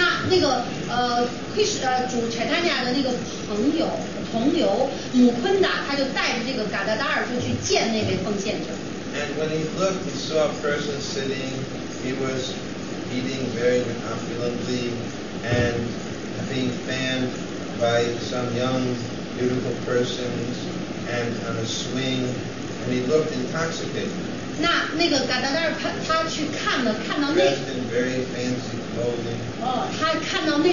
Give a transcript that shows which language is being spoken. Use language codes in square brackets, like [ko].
[zh] 那个主 Chaitanya 的那个朋友同游 Mukunda, 他就带着这个 Gadadhar 就去见那位奉献者。 [en] And when he looked, he saw a person sitting. He was beating very opulently and being fanned by some young, beautiful persons and on a swing, and he looked intoxicated. [zh] 那个 Gadadar 他去看了，看到那 [en] dressed in very fancy clothing.